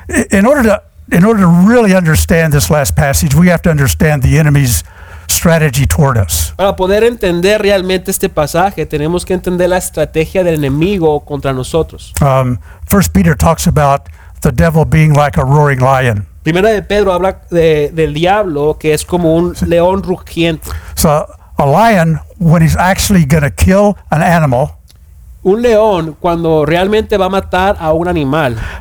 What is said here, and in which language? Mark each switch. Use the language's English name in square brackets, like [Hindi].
[English] In order to really understand this last passage, we have to understand the enemy's strategy toward us. [Spanish] Para poder entender realmente este pasaje, tenemos que entender la estrategia del enemigo contra nosotros. [English] First Peter talks about the devil being like a roaring lion. [Spanish] Primera de Pedro habla del diablo que es como un león rugiente. [English] So a lion, when he's actually going to kill an animal, [Spanish] un león cuando realmente va a matar a un animal,